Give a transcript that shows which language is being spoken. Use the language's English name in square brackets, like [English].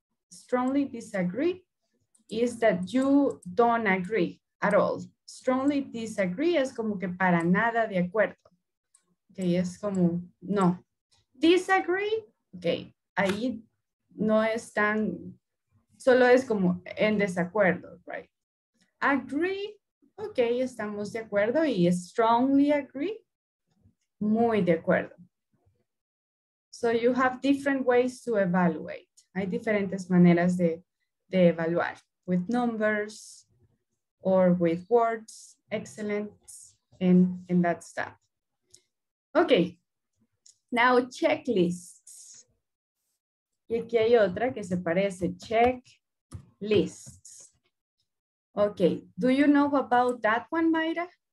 [English] strongly disagree is that you don't agree at all. [Spanish] Strongly disagree es como que para nada de acuerdo. Okay, es como no. Disagree, okay, ahí no es tan, solo es como en desacuerdo, right? Agree, okay, estamos de acuerdo, y strongly agree, muy de acuerdo. [English] So you have different ways to evaluate. [Spanish] Hay diferentes maneras de evaluar, [English] with numbers or with words, excellence, and that stuff. Okay, now checklists. [Spanish] Y aquí hay otra que se parece, checklists. [English] Okay, do you know about that one, Mayra?